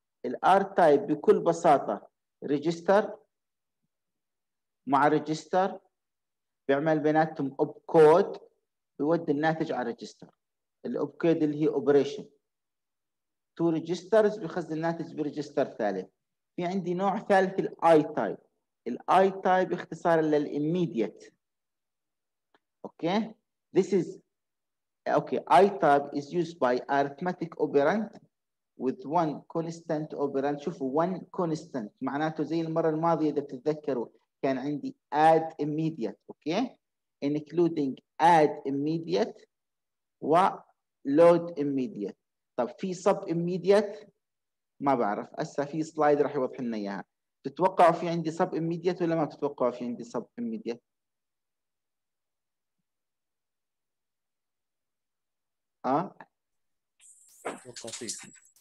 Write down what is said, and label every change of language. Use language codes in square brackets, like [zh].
[ar] الار تايب بكل بساطه ريجستر مع ريجستر، بيعمل بيناتهم اوب كود، بيودي الناتج على ريجستر. الاوب كود اللي هي اوبريشن تو ريجسترز، بيخزن الناتج بريجستر ثالث. في عندي نوع ثالث الاي تايب. الاي تايب اختصار للاميديت. اوكي؟ [en] This is [ar] اوكي. [en] I type is used by arithmetic operand with one constant operand. [ar] شوفوا [en] one constant [ar] معناته زي المره الماضيه اذا بتتذكروا كان عندي add immediate. اوكي؟ [en] including add immediate [ar] و load immediate. طب في sub immediate؟ ما بعرف، هسه في سلايد راح يوضح لنا اياها. تتوقعوا في عندي sub immediate ولا ما تتوقعوا في عندي sub immediate؟ اه اتوقع في.